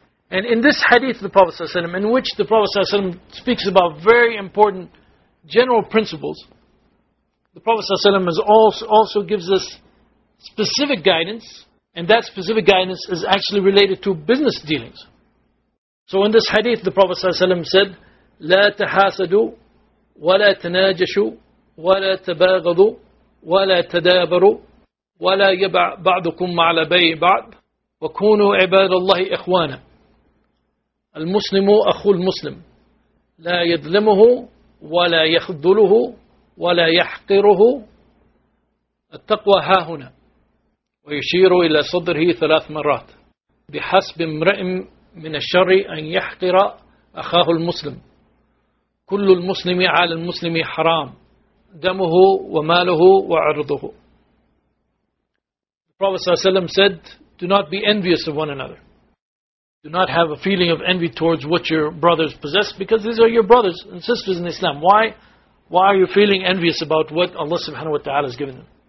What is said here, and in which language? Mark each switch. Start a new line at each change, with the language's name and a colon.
English: And in this hadith of the Prophet ﷺ, in which the Prophet ﷺ speaks about very important general principles, the Prophet ﷺ also gives us specific guidance, and that specific guidance is actually related to business dealings. So in this hadith, the Prophet ﷺ said,
Arabic: لَا تَحَاسَدُوا وَلَا تَنَاجَشُوا وَلَا تَبَاغَضُوا وَلَا تَدَابَرُوا وَلَا يَبَعْ بَعْضُكُمْ عَلَى بَيْءِ بَعْضٍ وَكُونُوا عِبَادَ اللَّهِ إِخْوَانًا الْمُسْلِمُ أَخُو الْمُسْلِمُ لَا يَظْلِمُهُ وَلَا يَخْذُلُهُ وَلَا يَحْقِرُهُ التَّقْوَى هَا هُنَا وَيُشِيرُ إِلَى صَدْرِهِ 3 مرات بِحَسْبِ امْرِئٍ مِنَ الشَّرِّ أَنْ يَحْقِرَ أَخَاهُ الْمُسْلِمُ كُلُّ الْمُسْلِمِ عَلَى الْمُسْلِمِ حَرَامٌ دمه وماله وعرضه.
English: The Prophet
Arabic: صلى الله عليه وسلم
English: said, do not be envious of one another. Do not have a feeling of envy towards what your brothers possess, because these are your brothers and sisters in Islam. Why are you feeling envious about what Allah subhanahu wa ta'ala has given them?